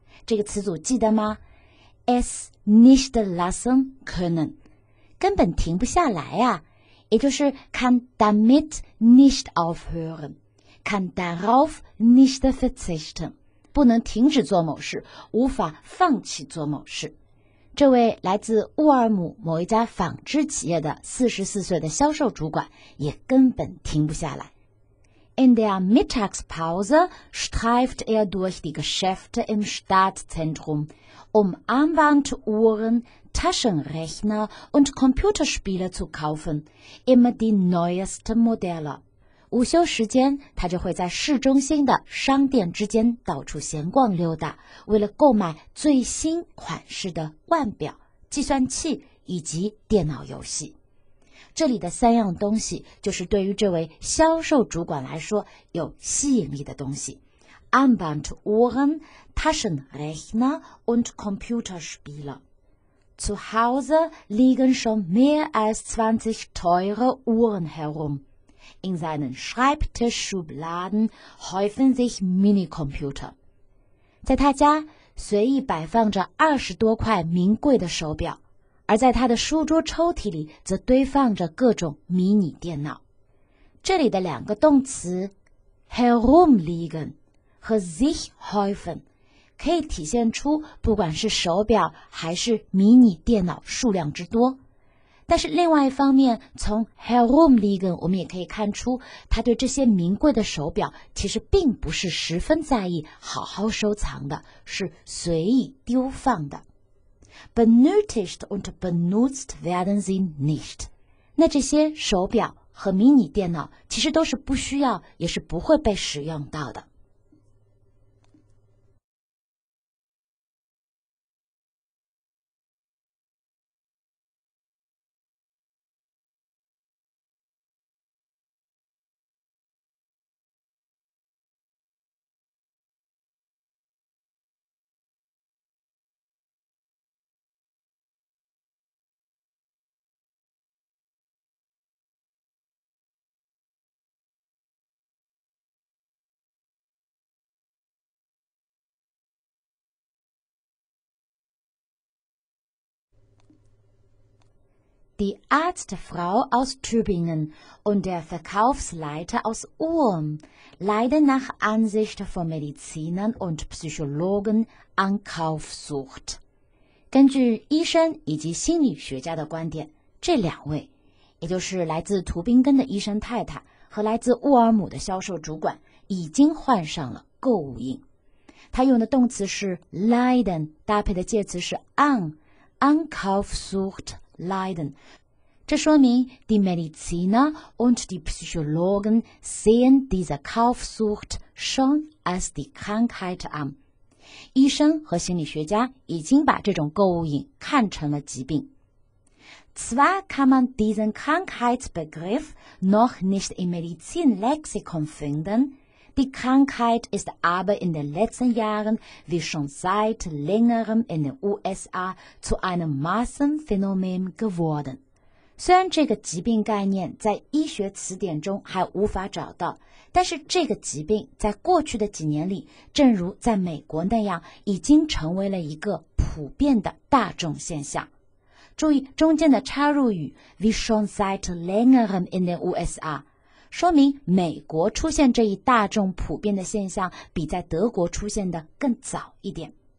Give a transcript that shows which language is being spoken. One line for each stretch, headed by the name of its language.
Chinese: 这个词组记得吗？
German: Es nicht lassen können.
Chinese: 根本停不下来啊，也就是
German: kann damit nicht aufhören. Kann darauf nicht verzichten.
Chinese: 不能停止做某事，无法放弃做某事。这位来自乌尔姆某一家纺织企业的44岁的销售主管也根本停不下来。
German: In der Mittagspause streift durch die Geschäfte im Stadtzentrum, Armbanduhren, Taschenrechner und Computerspiele zu kaufen, immer die neuesten Modelle.
Chinese: 午休时间，他就会在市中心的商店之间到处闲逛溜达，为了购买最新款式的腕表、计算器以及电脑游戏。这里的三样东西就是对于这位销售主管来说有吸引力的东西：
German: Armbanduhren, Taschenrechner und Computerspiele. Zu Hause liegen schon mehr als 20 teure Uhren herum. In seinen Schreibtischschubladen häufen sich Minicomputer.
Chinese: 在他家随意摆放着20多块名贵的手表，而在他的书桌抽屉里则堆放着各种迷你电脑。这里的两个动词
German: herumliegen 和 sich häufen
Chinese: 可以体现出不管是手表还是迷你电脑数量之多。但是另外一方面，从 herumliegen 我们也可以看出，他对这些名贵的手表其实并不是十分在意，好好收藏的，是随意丢放的。
German: Benötigt und benutzt werden sie nicht。
Chinese: 那这些手表和迷你电脑其实都是不需要，也是不会被使用到的。
German: Die Arztfrau aus Tübingen und der Verkaufsleiter aus Ulm leiden nach Ansicht von Medizinern und Psychologen an Kaufsucht.
Chinese: 根据医生以及心理学家的观点，这两位，也就是来自图宾根的医生太太和来自沃尔姆的销售主管，已经患上了购物瘾。他用的动词是 leiden， 搭配的介词是 an Kaufsucht。Leiden，这说明
German: die Mediziner und die Psychologen sehen diese Kaufsucht schon als die Krankheit an.
Chinese: 医生和心理学家已经把这种购物瘾看成了疾病。
German: Zwar kann man diesen Krankheitsbegriff noch nicht im Medizinlexikon finden, die Krankheit ist aber in den letzten Jahren, wie schon seit längerem in den USA, zu einem Massenphänomen geworden.
Chinese: 虽然这个疾病概念在医学词典中还无法找到，但是这个疾病在过去的几年里，正如在美国那样，已经成为了一个普遍的大众现象。注意中间的插入语
German: wie schon seit längerem in den USA，
Chinese: 说明美国出现这一大众普遍的现象比在德国出现的更早一点。